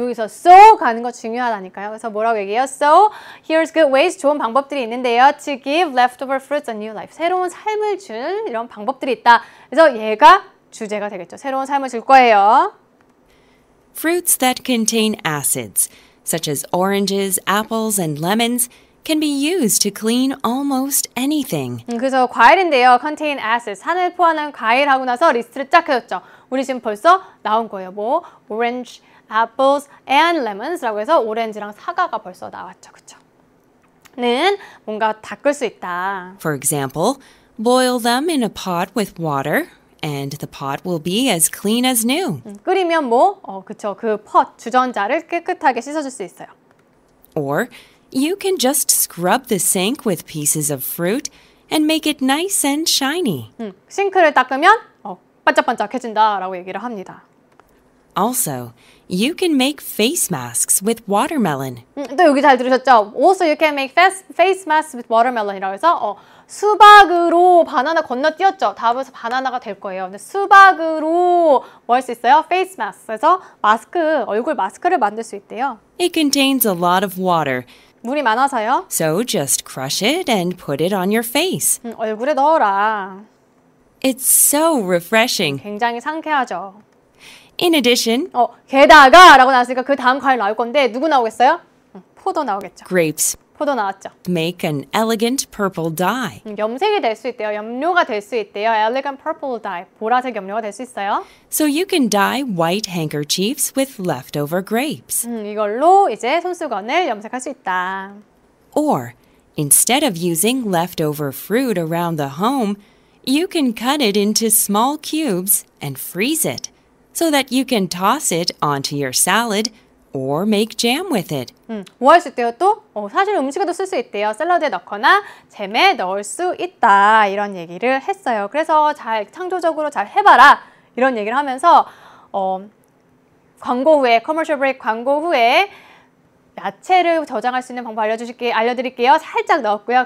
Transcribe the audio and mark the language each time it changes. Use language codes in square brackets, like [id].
[ko] 여기서 so 가는 거 중요하다니까요. 그래서 뭐라고 얘기해요? [en] So here's good ways, [ko] 좋은 방법들이 있는데요. [en] To give leftover fruits a new life. [ko] 새로운 삶을 줄 이런 방법들이 있다. 그래서 얘가 주제가 되겠죠. 새로운 삶을 줄 거예요. [en] Fruits that contain acids, such as oranges, apples, and lemons, can be used to clean almost anything. [ko] 그래서 과일인데요. [en] contain acids. [ko] 산을 포함한 과일하고 나서 리스트를 쫙 해줬죠. 우리 지금 벌써 나온 거예요. 뭐 [en] orange, apples and lemons [ko] 라고 해서 오렌지랑 사과가 벌써 나왔죠. 그렇죠?는 뭔가 닦을 수 있다. [en] For example, boil them in a pot with water. And the pot will be as clean as new. [ko] 끓이면 뭐? 그렇죠. 그 pot, 주전자를 깨끗하게 씻어줄 수 있어요. [en] Or You can just scrub the sink with pieces of fruit and make it nice and shiny. [ko] 싱크를 닦으면 반짝반짝해진다라고 얘기를 합니다. [en] Also, you can make face masks with watermelon. [ko] 또 여기 잘 들으셨죠? [en] Also, you can make face masks with watermelon [ko] 이라고 해서 수박으로 바나나 건너뛰었죠? 다음에서 바나나가 될 거예요. 근데 수박으로 뭐 할 수 있어요? [en] Face mask. [ko] 그래서 마스크, 얼굴 마스크를 만들 수 있대요. [en] It contains a lot of water. [ko] 물이 많아서요. [en] So just crush it and put it on your face. [ko] 얼굴에 넣어라. [en] It's so refreshing. [ko] 굉장히 상쾌하죠. [en] In addition, [ko] 게다가 라고 나왔으니까 그 다음 과일 나올 건데 누구 나오겠어요? 포도 나오겠죠. [en] Grapes. [ko] 포도 나왔죠. [en] Make an elegant purple dye. [ko] 염색이 될 수 있대요. 염료가 될 수 있대요. [en] Elegant purple dye. [ko] 보라색 염료가 될 수 있어요. [en] So you can dye white handkerchiefs with leftover grapes. [ko] 이걸로 이제 손수건을 염색할 수 있다. [en] Or, instead of using leftover fruit around the home, you can cut it into small cubes and freeze it. So that you can toss it onto your salad or make jam with it. [ko] 뭐 할 수 있대요 또? 사실 음식에도 쓸 수 있대요. 샐러드에 넣거나 잼에 넣을 수 있다 이런 얘기를 했어요. 그래서 잘 창조적으로 잘 해봐라 이런 얘기를 하면서 광고 후에 커머셜 브레이크 광고 후에 야채를 저장할 수 있는 방법 알려드릴게요. 살짝 넣었고요.